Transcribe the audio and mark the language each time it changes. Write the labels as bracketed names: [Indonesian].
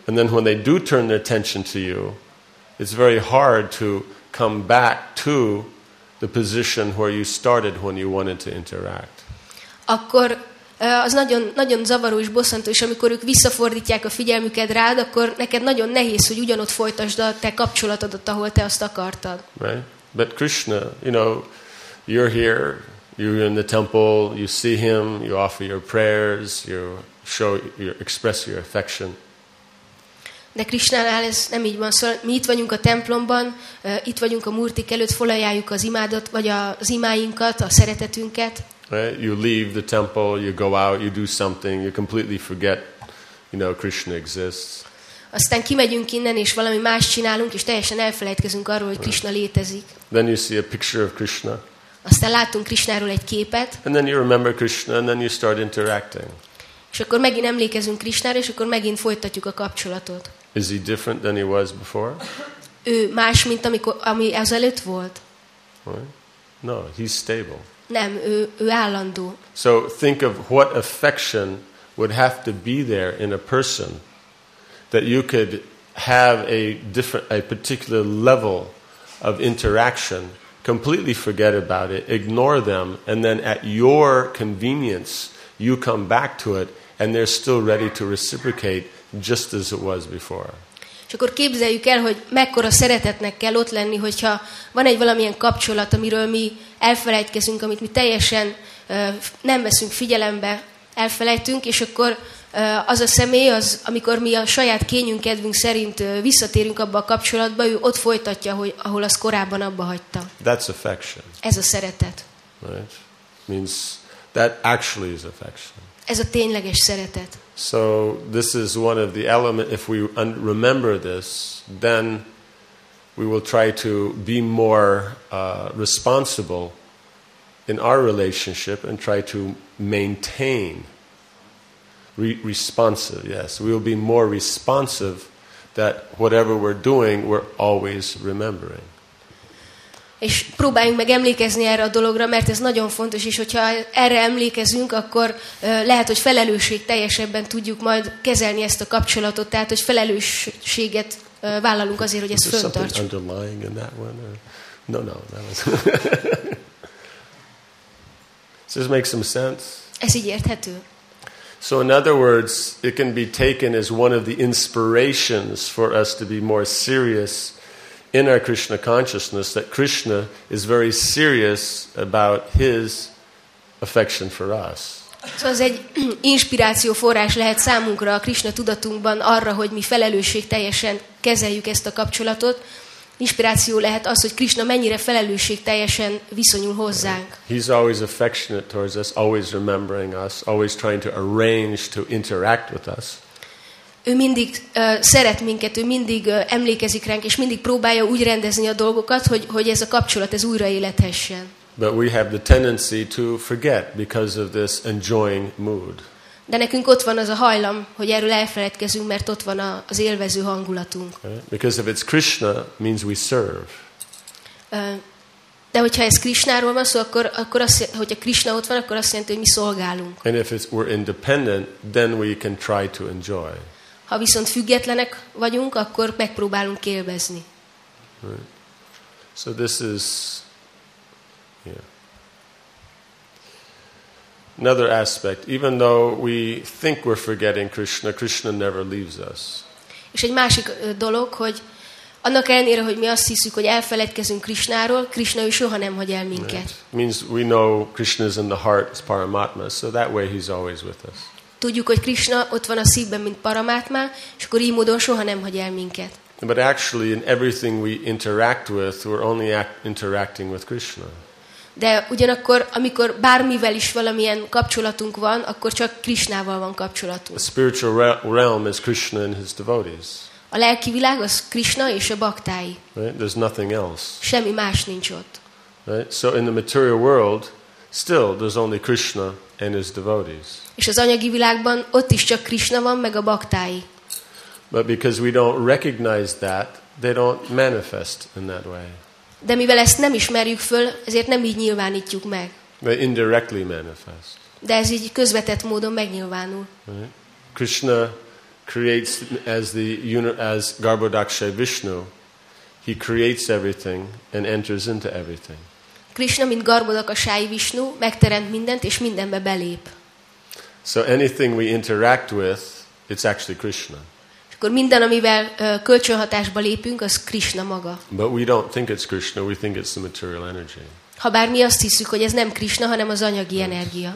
[English] And then when they do turn their attention to you, it's very hard to come back to the position where you started when you wanted to interact. [Hungarian] Akkor az nagyon, nagyon zavaró és bosszantó, és amikor ők visszafordítják a figyelmüket rád, akkor neked nagyon nehéz, hogy ugyanott folytasd a te kapcsolatodat, ahol te azt akartad. [English] Right. But Krishna, you know, you're here, you're in the temple, you see him, you offer your prayers, you show, you express your affection. [Hungarian] De Krishnánál ez nem így van. Szóval mi itt vagyunk a templomban, itt vagyunk a murtik előtt, felajánljuk az imádat, vagy az imáinkat, a szeretetünket. [English] You leave the temple, you go out, you do something, you completely forget, you know, Krishna exists. [Hungarian] Aztán kimegyünk innen, és valami más csinálunk, és teljesen elfelejtkezünk arról, hogy Krishna létezik. [English] Then you see a picture of Krishna. [Hungarian] Aztán látunk Krishnáról egy képet. [English] And then you remember Krishna, and then you start interacting. [Hungarian] És akkor megint emlékezünk Krishnára, és akkor megint folytatjuk a kapcsolatot. [English] Is he different than he was before? [Hungarian] Ő más, mint amikor, ami ezelőtt volt? [English] No, he's stable. [Hungarian] Nem, ő állandó. [English] So think of what affection would have to be there in a person that you could have a different, a particular level of interaction, completely forget about it, ignore them, and then at your convenience you come back to it and they're still ready to reciprocate just as it was before. [Hungarian] És akkor képzeljük el, hogy mekkora szeretetnek kell ott lenni, hogyha van egy valamilyen kapcsolat, amiről mi elfelejtkezünk, amit mi teljesen nem veszünk figyelembe, elfelejtünk, és akkor az a személy, az, amikor mi a saját kényünk, kedvünk szerint visszatérünk abba a kapcsolatba, ő ott folytatja, hogy, ahol az korábban abba hagyta. [English] That's affection. [Hungarian] Ez a szeretet. [English] Right? Means that actually is affection. [Hungarian] Ez a tényleges szeretet. [English] So this is one of the element, if we remember this, then we will try to be more responsible in our relationship and try to maintain responsive, yes. We will be more responsive that whatever we're doing, we're always remembering. [Hungarian] És próbáljunk meg emlékezni erre a dologra, mert ez nagyon fontos, és hogyha erre emlékezünk, akkor lehet, hogy felelősség teljesebben tudjuk majd kezelni ezt a kapcsolatot, tehát hogy felelősséget vállalunk azért, hogy ezt föntartsuk. [English] Underlying in that one? Or? No, that was... So this makes some sense? [Hungarian] Ez így érthető. [English] So in other words, it can be taken as one of the inspirations for us to be more serious in our Krishna consciousness, that Krishna is very serious about his affection for us. [Hungarian] So az egy inspiráció forrás lehet számunkra a Krishna tudatunkban arra, hogy mi felelősség teljesen kezeljük ezt a kapcsolatot. Inspiráció lehet az, hogy Krishna mennyire felelősség teljesen viszonyul hozzánk. [English] He's always affectionate towards us, always remembering us, always trying to arrange to interact with us. [Hungarian] Ő mindig szeret minket, ő mindig emlékezik ránk, és mindig próbálja úgy rendezni a dolgokat, hogy ez a kapcsolat ez újra élethessen. [English] But we have the tendency to forget because of this enjoying mood. [Hungarian] De nekünk ott van az a hajlam, hogy erről elfeledkezünk, mert ott van az élvező hangulatunk. [English] Because if it's Krishna, means we serve. [Hungarian] De hogyha ez Krishnáról van szó, akkor azt, hogyha Krishna ott van, akkor azt jelenti, hogy mi szolgálunk. [English] And if it's, we're independent, then we can try to enjoy. [Hungarian] Ha viszont függetlenek vagyunk, akkor megpróbálunk élvezni. [English] Right. So this is another aspect. Even though we think we're forgetting Krishna, Krishna never leaves us. [Hungarian] És egy másik dolog, hogy annak ellenére, hogy mi azt hiszük, hogy elfeledkezünk Krishnáról, Krishna ő soha nem hagy el minket. [English] Right. Means we know Krishna is in the heart, is Paramatma, so that way he's always with us. [Hungarian] Tudjuk, hogy Krishna ott van a szívben, mint Paramatma, és akkor így módon soha nem hagy el minket. [English] But actually in everything we interact with, we're only interacting with Krishna. [Hungarian] De ugyanakkor, amikor bármivel is valamilyen kapcsolatunk van, akkor csak Krishnával van kapcsolatunk. [English] The spiritual realm is Krishna and his devotees. [Hungarian] A lelki világ az Krishna és a baktái. [English] Right? There's nothing else. [Hungarian] Semmi más nincs ott. [English] Right? So in the material world, still there's only Krishna and his devotees. [Hungarian] És az anyagi világban ott is csak Krishna van, meg a baktái. [English] But because we don't recognize that, they don't manifest in that way. [Hungarian] De mivel ezt nem ismerjük föl, ezért nem így nyilvánítjuk meg. [English] They indirectly manifest. [Hungarian] De ez így közvetett módon megnyilvánul. [English] Right? Krishna creates as Garbhodaksha Vishnu, he creates everything and enters into everything. [Hungarian] Krishna, mint Garbhodaksha Vishnu, megteremt mindent és mindenbe belép. [English] So anything we interact with, it's actually Krishna. [Hungarian] És akkor minden, amivel kölcsönhatásba lépünk, az Krishna maga. [English] But we don't think it's Krishna, we think it's the material energy. [Hungarian] Habár mi azt hiszük, hogy ez nem Krishna, hanem az anyagi energia.